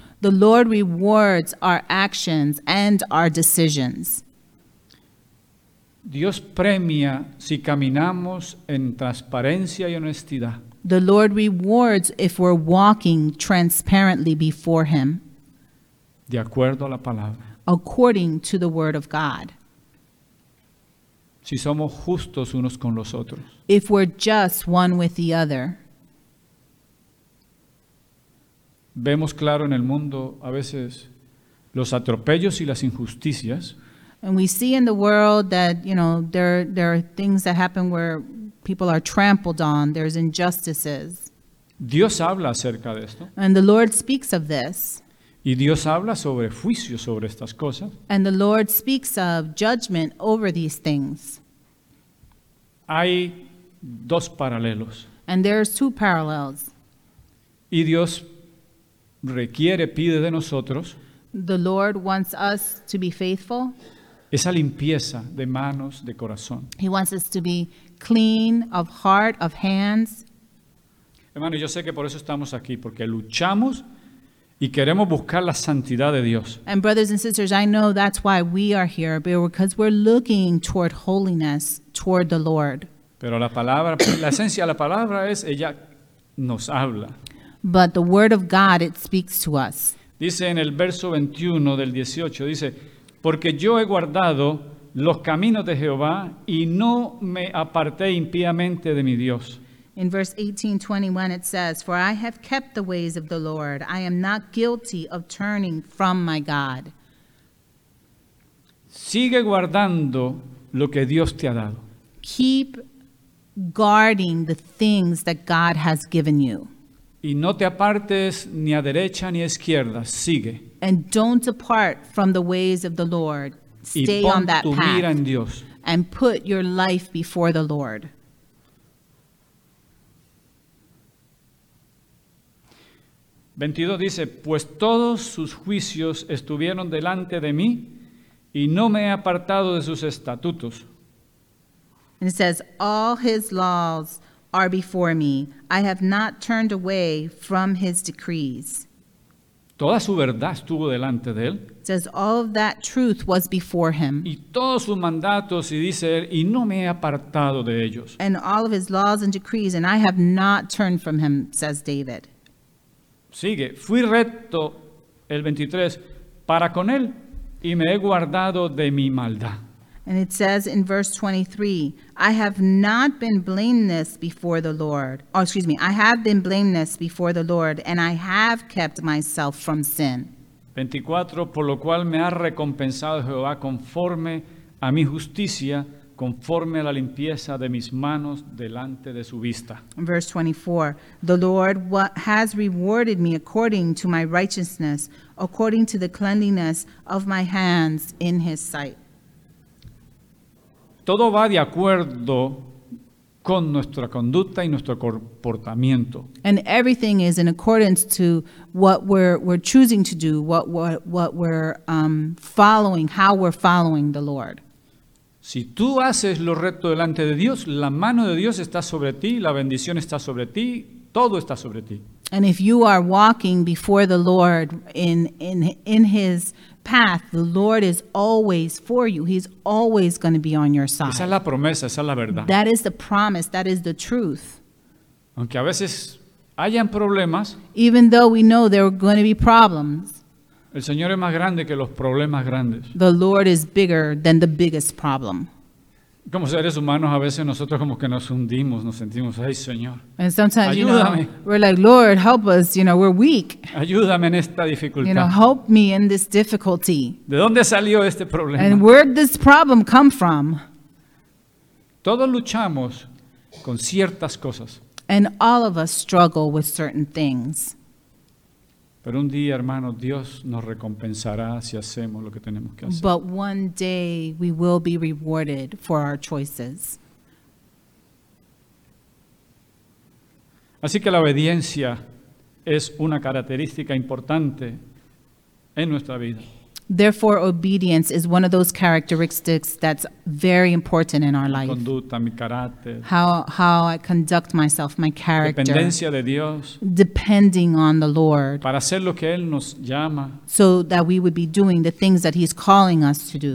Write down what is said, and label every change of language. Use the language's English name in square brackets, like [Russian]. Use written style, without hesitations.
[English] The Lord rewards our actions and our decisions. [Spanish] Dios premia si caminamos en transparencia y honestidad. [English] The Lord rewards if we're walking transparently before him. [Spanish] De acuerdo a la palabra. [English] According to the word of God. [Spanish] Si somos justos unos con los otros. [English] If we're just one with the other. [Spanish] Vemos claro en el mundo a veces los atropellos y las injusticias. [English] And we see in the world that, you know, there are things that happen where people are trampled on. There's injustices. [Spanish] Dios habla acerca de esto. [English] And the Lord speaks of this. [Spanish] Y Dios habla sobre juicio sobre estas cosas. [English] And the Lord speaks of judgment over these things. [Spanish] Hay dos paralelos. [English] And there's two parallels. [Spanish] Y Dios requiere, pide de nosotros. [English] The Lord wants us to be faithful. [Spanish] Esa limpieza de manos, de corazón. [English] He wants us to be clean of heart, of hands. [Spanish] Hermano, yo sé que por eso estamos aquí, porque luchamos y queremos buscar la santidad de Dios. [English] And brothers and sisters, I know that's why we are here, because we're looking toward holiness, toward the Lord. [Spanish] Pero la palabra, la esencia de la palabra es, ella nos habla. [English] But the word of God, it speaks to us. [Spanish] Dice en el verso 21 del 18, dice, porque yo he guardado los caminos de Jehová y no me aparté impíamente de mi Dios. [English] In verse 18:21, it says, "For I have kept the ways of the Lord. I am not guilty of turning from my God." [Spanish] Sigue guardando lo que Dios te ha dado. [English] Keep guarding the things that God has given you. [Spanish] Y no te apartes ni a derecha ni a izquierda. Sigue. [English] And don't depart from the ways of the Lord. Stay on that path. [Spanish] Y pon tu mira en Dios. [English] And put your life before the Lord. [Spanish] Versículo 22 dice, pues todos sus juicios estuvieron delante de mí y no me he apartado de sus estatutos. [English] And it says, all his laws are before me. I have not turned away from his decrees. [Spanish] Toda su verdad estuvo delante de él. [English] It says, all of that truth was before him. [Spanish] Y todos sus mandatos, y dice él, y no me he apartado de ellos. [English] And all of his laws and decrees, and I have not turned from him, says David. [Spanish] Sigue, fui recto, el 23, para con él, y me he guardado de mi maldad. [English] And it says in verse 23, I have not been blameless before the Lord. Oh, excuse me. I have been blameless before the Lord, and I have kept myself from sin. [Spanish] 24, por lo cual me ha recompensado Jehová conforme a mi justicia, conforme a la limpieza de mis manos delante de su vista. [English] Verse 24, the Lord has rewarded me according to my righteousness, according to the cleanliness of my hands in his sight. [Spanish] Todo va de acuerdo con nuestra conducta y nuestro comportamiento. [English] And everything is in accordance to what we're choosing to do, what we're following, how we're following the Lord. [Spanish] Si tú haces lo recto delante de Dios, la mano de Dios está sobre ti, la bendición está sobre ti, todo está sobre ti. [English] And if you are walking before the Lord in his path, the Lord is always for you. He's always going to be on your side. [Spanish] Esa es la promesa, esa es la verdad. [English] That is the promise, that is the truth. [Spanish] Aunque a veces hayan problemas, [English] even though we know there are going to be problems, [Spanish] el Señor es más grande que los problemas grandes. [English] The Lord is bigger than the biggest problem. [Spanish] Como seres humanos, a veces nosotros como que nos hundimos, nos sentimos, ay Señor, [English] and sometimes, [Spanish] ayúdame. [English] You know, we're like, Lord, help us, you know, we're weak. [Spanish] Ayúdame en esta dificultad. [English] You know, help me in this difficulty. [Spanish] ¿De dónde salió este problema? [English] And where did this problem come from? [Spanish] Todos luchamos con ciertas cosas. [English] And all of us struggle with certain things. [Spanish] Pero un día, hermano, Dios nos recompensará si hacemos lo que tenemos que hacer. [English] But one day we will be rewarded for our choices. [Spanish] Así que la obediencia es una característica importante en nuestra vida. [English] Therefore, obedience is one of those characteristics that's very important in our life. [Spanish] Mi conducta, mi carácter. [English] How I conduct myself, my character. [Spanish] Dependencia de Dios. [English] Depending on the Lord. [Spanish] Para hacer lo que Él nos llama. [English] So that we would be doing the things that He's calling us to do.